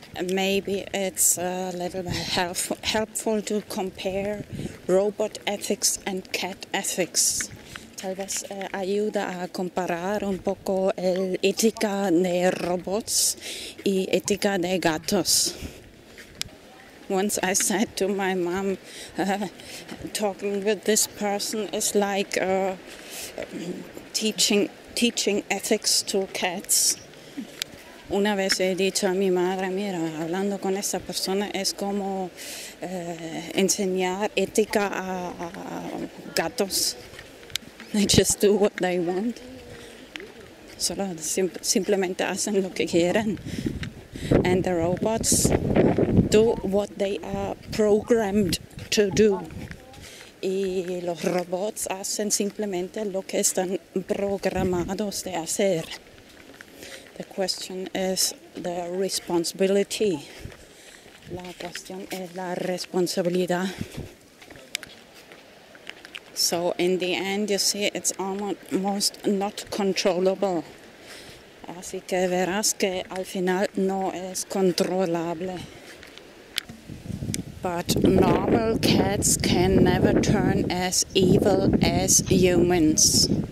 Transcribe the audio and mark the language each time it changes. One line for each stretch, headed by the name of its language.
English: Maybe it's a little helpful to compare robot ethics and cat ethics.
Spanish: Tal vez ayuda a comparar un poco el ética de robots y ética de gatos.
English: Once I said to my mom, talking with this person is like teaching ethics to cats.
Spanish: Una vez he dicho a mi madre, mira, hablando con esa persona es como enseñar ética a gatos.
English: They just do what they want.
Spanish: Solo simplemente hacen lo que quieren.
English: And the robots, do what they are programmed to do.
Spanish: Y los robots hacen simplemente lo que están programados de hacer.
English: The question is the responsibility.
Spanish: La cuestión es la responsabilidad.
English: So in the end, you see, it's almost not controllable.
Spanish: Así que verás que al final no es controlable.
English: But normal cats can never turn as evil as humans.